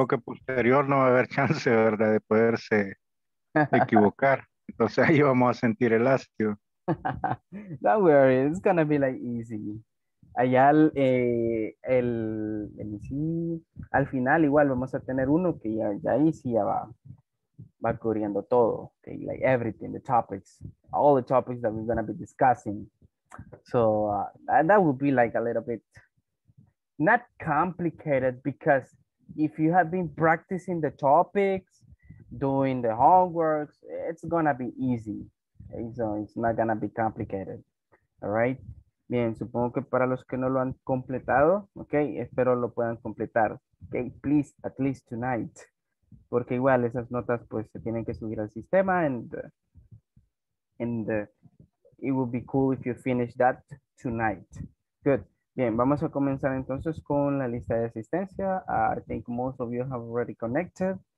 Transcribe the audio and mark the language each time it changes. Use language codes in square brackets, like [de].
[es] Creo que posterior no va a haber chance, ¿verdad?, de poderse equivocar. Entonces ahí vamos a sentir el hastio. [en] Don't worry, it's gonna be like easy. [es] Allá al final igual vamos a tener uno que ya ahí sí ya va cubriendo todo, okay? [en] Like everything, the topics, all the topics that we're gonna be discussing. So that would be like a little bit not complicated, because if you have been practicing the topics doing the homeworks, it's gonna be easy. Okay? So it's not gonna be complicated. All right. [es] Bien, supongo que para los que no lo han completado, ok, espero lo puedan completar. [en] Ok, please, at least tonight. [es] Porque igual esas notas pues se tienen que subir al sistema [en] and it would be cool if you finish that tonight. Good. [es] Bien, vamos a comenzar entonces con la lista de asistencia. [en] I think most of you have already connected.